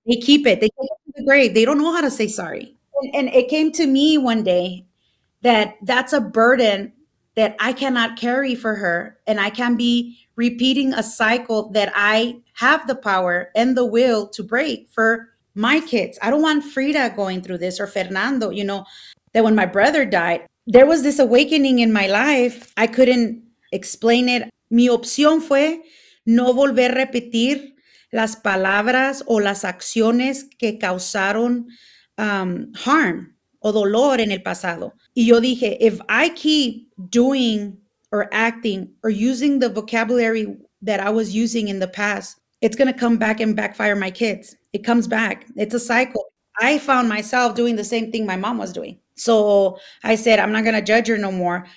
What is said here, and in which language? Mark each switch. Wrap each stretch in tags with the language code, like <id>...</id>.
<en>They keep it. They keep it in the grave. They don't know how to say sorry. And it came to me one day that that's a burden that I cannot carry for her. And I can be repeating a cycle that I have the power and the will to break for my kids. I don't want Frida going through this or Fernando, you know, that when my brother died, there was this awakening in my life. I couldn't explain it.</en> <es>Mi opción fue no volver a repetir las palabras o las acciones que causaron harm o dolor en el pasado. Y yo dije,</es> <en>if I keep doing or acting or using the vocabulary that I was using in the past, it's going to come back and backfire my kids. It comes back. It's a cycle. I found myself doing the same thing my mom was doing. So I said, I'm not going to judge her no more.</en>